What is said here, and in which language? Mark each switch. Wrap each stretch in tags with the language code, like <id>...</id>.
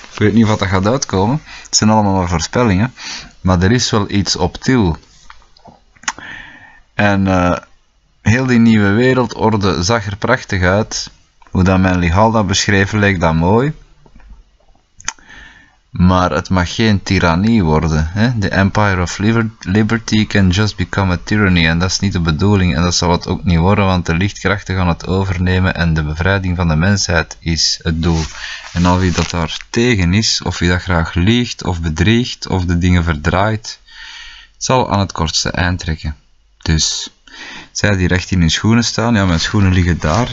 <nl>Ik weet niet wat dat gaat uitkomen. Het zijn allemaal maar voorspellingen. Maar er is wel iets op til. En heel die nieuwe wereldorde zag er prachtig uit. Hoe dat Manly Hall dat beschreven, leek dat mooi. Maar het mag geen tirannie worden. Hè?</nl> <en>The Empire of Liberty can just become a tyranny.</en> <nl>En dat is niet de bedoeling. En dat zal het ook niet worden, want de lichtkrachten gaan het overnemen. En de bevrijding van de mensheid is het doel. En al wie dat daar tegen is, of wie dat graag liegt, of bedriegt, of de dingen verdraait, zal aan het kortste eind trekken. Dus, zij die recht in hun schoenen staan. Ja, mijn schoenen liggen daar.</nl>